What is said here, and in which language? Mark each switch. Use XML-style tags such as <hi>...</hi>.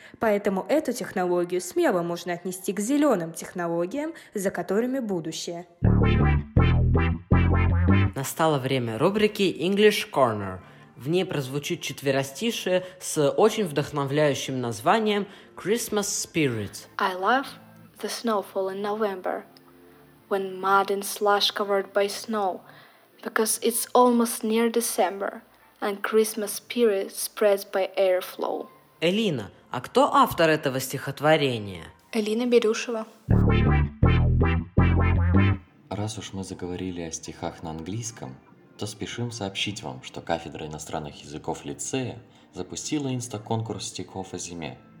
<ru>Поэтому эту технологию смело можно отнести к зеленым технологиям, за которыми будущее. Настало время рубрики English Corner. В ней прозвучит четверостишие с очень вдохновляющим названием Christmas Spirit.</ru> <en>I love the snowfall in November, when mud and slush covered by snow, because it's almost near December, and Christmas spirit spreads by airflow.</en> <ru>Элина, а кто автор этого стихотворения? Элина Бирюшева. Раз уж мы заговорили о стихах на английском, то спешим сообщить вам, что кафедра иностранных языков лицея запустила инста-конкурс стихов о зиме.</ru>